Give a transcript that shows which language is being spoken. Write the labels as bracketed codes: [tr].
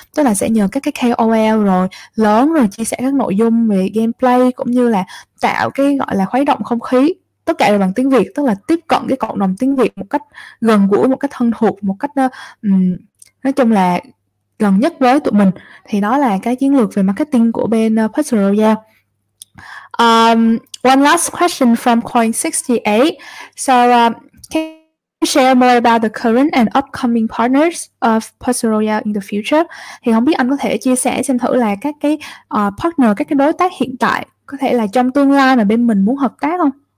[vi] Tức là sẽ nhờ các cái KOL rồi lớn rồi chia sẻ các nội dung về gameplay cũng như là tạo cái gọi là khuấy động không khí, tất cả đều bằng tiếng Việt, tức là tiếp cận cái cộng đồng tiếng Việt một cách gần gũi, một cách thân thuộc, một cách nói chung là gần nhất với tụi mình. Thì đó là cái chiến lược về marketing của bên Puzzle Royale. [en] One last question from Coin68. So share more about the current and upcoming partners of Puzzle Royale in the future. [vi] Thì không biết anh có thể chia sẻ xem thử là các cái partner, các cái đối tác hiện tại có thể là trong tương lai mà bên mình muốn hợp tác không?